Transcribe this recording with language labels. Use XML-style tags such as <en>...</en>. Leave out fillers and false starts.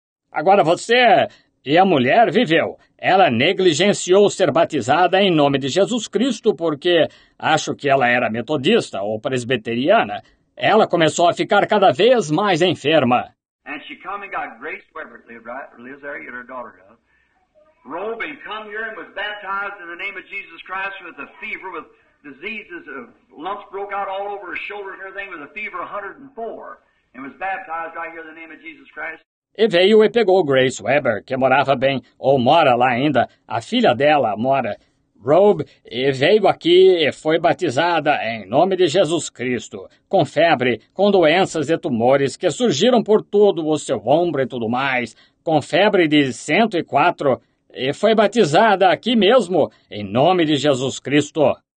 <pt>Agora você, e a mulher viveu. Ela negligenciou ser batizada em nome de Jesus Cristo porque, acho que ela era metodista ou presbiteriana, ela começou a ficar cada vez mais enferma.</pt> <en>And she come and got Grace Weber, lives there, and her daughter does. Robe and come here and was baptized in the name of Jesus Christ with a fever, with diseases of lumps broke out all over her shoulders and everything, with a fever 104, and was baptized right here in the name of Jesus Christ.</en> <pt>E veio e pegou Grace Weber, que morava bem, ou mora lá ainda, a filha dela mora, Robe, e veio aqui e foi batizada em nome de Jesus Cristo, com febre, com doenças e tumores que surgiram por todo o seu ombro e tudo mais, com febre de 104, e foi batizada aqui mesmo, em nome de Jesus Cristo.</pt>